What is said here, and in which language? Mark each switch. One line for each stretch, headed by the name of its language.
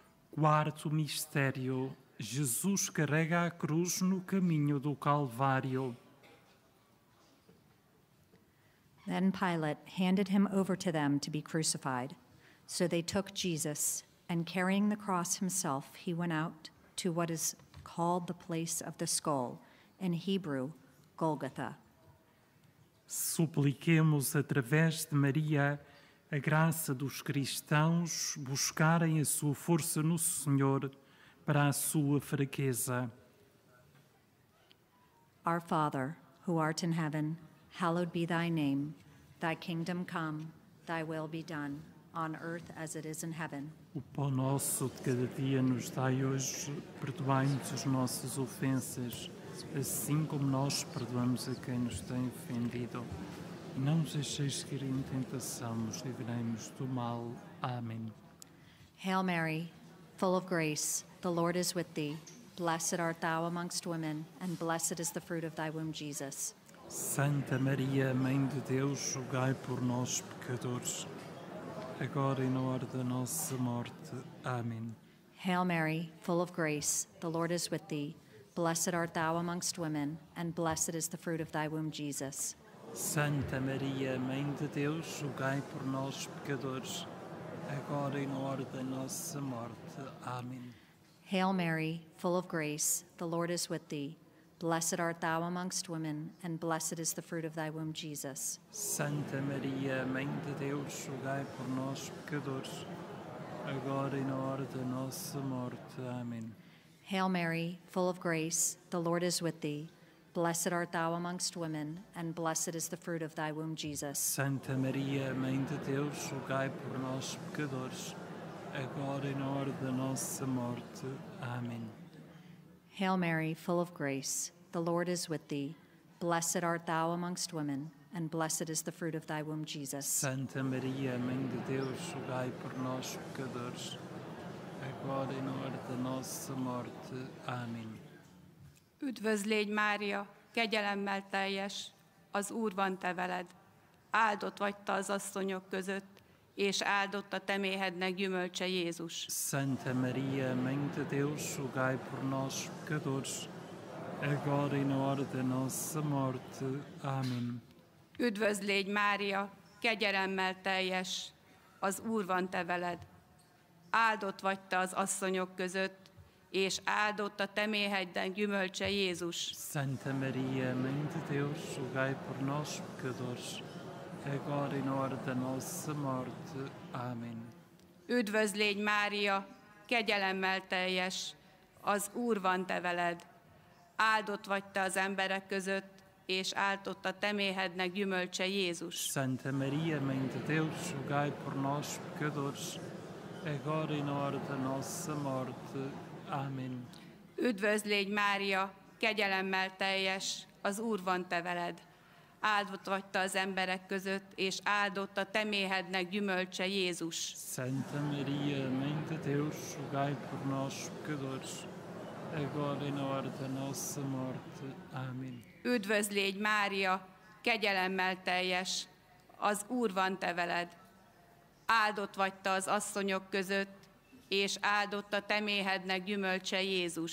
Portuguese: Quarto mistério, Jesus carrega a cruz no caminho do Calvário.
English: Then Pilate handed him over to them to be crucified. So they took Jesus, and carrying the cross himself, he went out to what is called the place of the skull, in Hebrew, Golgotha.
Portuguese: Supliquemos através de Maria a graça dos cristãos buscarem a sua força no Senhor para a sua fraqueza.
English: Our Father, who art in heaven, hallowed be thy name. Thy kingdom come, thy will be done, on earth as it is in heaven.
Portuguese: O pão nosso de cada dia nos dai hoje, perdoai-nos as nossas ofensas, assim como nós perdoamos a quem nos tem ofendido. Não nos deixeis cair em tentação, nos livrai-nos do mal. Amém.
English: Hail Mary, full of grace, the Lord is with thee. Blessed art thou amongst women, and blessed is the fruit of thy womb, Jesus.
Portuguese: Santa Maria, Mãe de Deus, rogai por nós, pecadores, agora e na hora da nossa morte. Amém.
English: Hail Mary, full of grace, the Lord is with thee. Blessed art thou amongst women, and blessed is the fruit of thy womb, Jesus.
Portuguese: Santa Maria, Mãe de Deus, rogai por nós, pecadores, agora e na hora da nossa morte. Amém.
English: Hail Mary, full of grace, the Lord is with thee. Blessed art thou amongst women, and blessed is the fruit of thy womb, Jesus.
Portuguese: Santa Maria, Mãe de Deus, rogai por nós, pecadores, agora e na hora da nossa morte. Amém.
English: Hail Mary, full of grace, the Lord is with thee. Blessed art thou amongst women, and blessed is the fruit of thy womb, Jesus.
Portuguese: Santa Maria, Mãe de Deus, rogai por nós, pecadores, agora e na hora da nossa morte. Amém.
English: Hail Mary, full of grace, the Lord is with thee. Blessed art thou amongst women, and blessed is the fruit of thy womb, Jesus.
Portuguese: Santa Maria, Mãe de Deus, rogai por nós, pecadores, agora e na hora da nossa morte. Amém.
Hungarian: Üdvözlégy, Mária, kegyelemmel teljes, az Úr van te veled. Áldott vagy te az asszonyok között, és áldott a te méhednek gyümölcse, Jézus.
Portuguese: Santa Maria, Mãe de Deus, rogai por nós, pecadores, agora e na hora da nossa morte. Amém.
Hungarian: Üdvözlégy, Mária, kegyelemmel teljes, az Úr van te veled. Áldott vagy te az asszonyok között, és áldott a te méhednek gyümölcse, Jézus.
Portuguese: Santa Maria, Mãe de Deus, rogai por nós, pecadores, agora e na hora da nossa morte. Amém.
Hungarian: Üdvözlégy, Mária, kegyelemmel teljes, az Úr van te veled. Áldott vagy te az emberek között, és áldott a te méhednek gyümölcse, Jézus.
Portuguese: Santa Maria, Mãe de Deus, rogai por nós, pecadores, agora e na hora da nossa morte. Amém.
Hungarian: Üdvözlégy, Mária, kegyelemmel teljes, az Úr van te veled. Áldott vagy te az emberek között, és áldott a te méhednek gyümölcse, Jézus.
Portuguese: Santa Maria, Mãe de Deus, rogai por nós, pecadores, agora e na hora da nossa morte. Amém.
Hungarian: Üdvözlégy, Mária, kegyelemmel teljes, az Úr van te veled. Áldott vagy te az asszonyok között, és áldott a te méhednek gyümölcse, Jézus.